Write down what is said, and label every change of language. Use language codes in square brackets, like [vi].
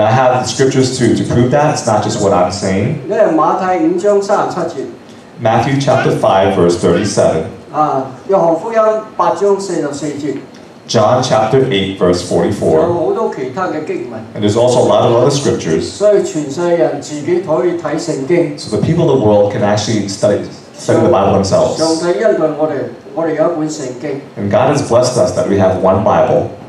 [en] I have the scriptures to prove that. It's not just what I'm saying. [yue] 因為馬太五章三十七節。Matthew [en] chapter 5 verse 37. [yue] 約翰福音八章四十四節。John [en] chapter 8 verse 44. And there's also a lot of other scriptures. [yue] 所以全世界人自己可以睇聖經。 [en] So the people of the world can actually study the Bible themselves. [yue] 上帝恩待我们，我们有一本圣经。 [en] And God has blessed us that we have one Bible.